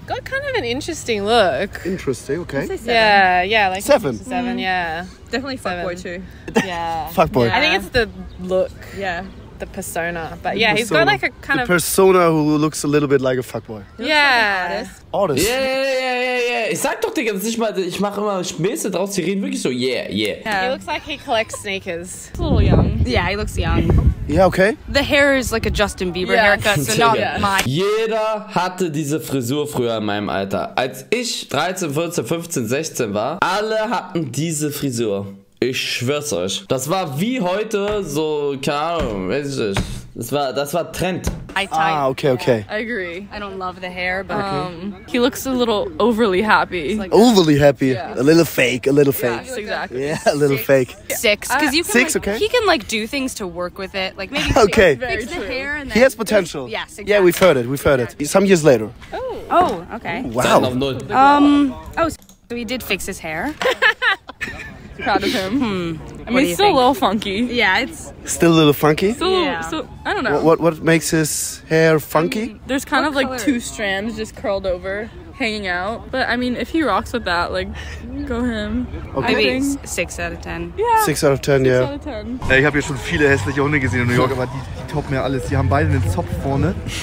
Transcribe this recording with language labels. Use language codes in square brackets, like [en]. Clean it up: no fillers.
[en] Got kind of an interesting look. Interesting. Okay. Like 7. 7. Yeah. Definitely fuckboy too. Yeah. Fuckboy. Yeah. I think it's the look. Yeah. The persona. But yeah, he's got like a kind of... persona who looks a little bit like a fuckboy. Yeah. Like artist. Yeah. [de] Ich sag doch, Digga, das ist nicht mal... Ich mach immer Späße draus, die reden wirklich so, yeah. [en] He looks like he collects sneakers. He's a little young. Yeah, he looks young. Yeah, okay. The hair is like a Justin Bieber haircut, so not mine. [de] Jeder hatte diese Frisur früher in meinem Alter. Als ich 13, 14, 15, 16 war, alle hatten diese Frisur. Ich schwör's euch. Das war wie heute, so, keine Ahnung, weiß ich nicht. Das war Trend. [en] Okay. Yeah, I agree. I don't love the hair, but he looks a little overly happy. Like overly happy. Yeah. A little fake. Yes, exactly. Yeah, a little six. Fake. Six. Because you can, six, like, okay. He can like do things to work with it. Like maybe okay. fix the hair and then he has potential. Yes, exactly. Yeah, we've heard it. Some years later. Oh. Oh, okay. Wow. So he did fix his hair. Proud of him. I mean, it's still a little funky. Yeah, it's still a little funky. So I don't know. What makes his hair funky? There's kind of like two strands just curled over. hanging out. But I mean, if he rocks with that, like, go him. Okay. Maybe 6 out of 10. Yeah. 6 out of 10, yeah. 6 out of 10. [de] Ich habe ja schon viele hässliche Hunde gesehen in New York, aber die toppen ja alles. Die haben beide einen Zopf vorne.